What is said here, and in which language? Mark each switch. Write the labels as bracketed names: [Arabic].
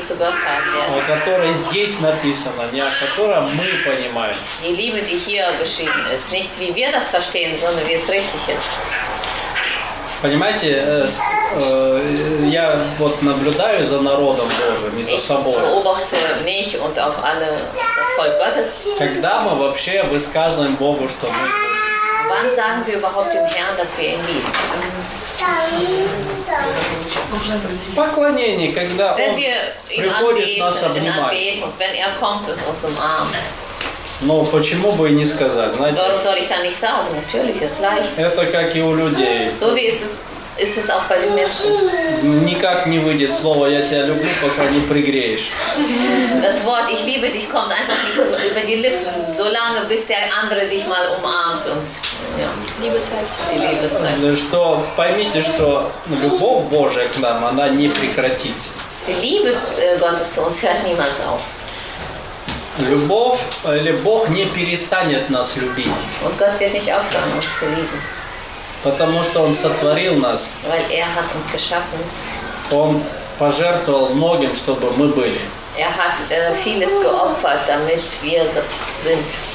[Russian] о которой здесь написано, не о которой мы понимаем. [German] Die Liebe, die hier geschrieben ist, nicht wie wir das verstehen, sondern wie es richtig ist. [Russian] Понимаете, я вот наблюдаю за народом Божьим и за собой. [German] Ich beobachte mich und auch alle das Volk Gottes. [Russian] Когда мы вообще высказываем Богу, что мы? [German] Wann sagen wir überhaupt dem Herrn, dass wir ihn lieben? [Russian] Поклонение, когда [German] wenn [Russian] он приходит нас обнимает. [German] Wenn er kommt und uns umarmt. [Russian] Ну, почему бы и не сказать, знаете? [German] Warum soll ich dann nicht sagen? Natürlich, ist leicht. [Russian] Это как и у людей. [German] So wie ist es auch bei den Menschen. [Russian] Никак не выйдет слово «я тебя люблю», пока не пригреешь. [German] Das Wort «ich liebe dich» kommt einfach nicht über die Lippen, so lange, bis der andere dich mal umarmt und, ja. Liebe zeigt. Die Liebe zeigt. [Russian] Что, поймите, что любовь Божия к нам, она не прекратится. [German] Die Liebe Gottes zu uns hört niemals auf. [Russian] Любовь или Бог не перестанет нас любить. [German] Und Gott wird nicht aufhören, uns zu lieben. [Russian] Потому что Он сотворил нас. [German] Weil er hat uns geschaffen. [Russian] Он пожертвовал многим, чтобы мы были. [German] Er hat vieles geopfert, damit wir sind.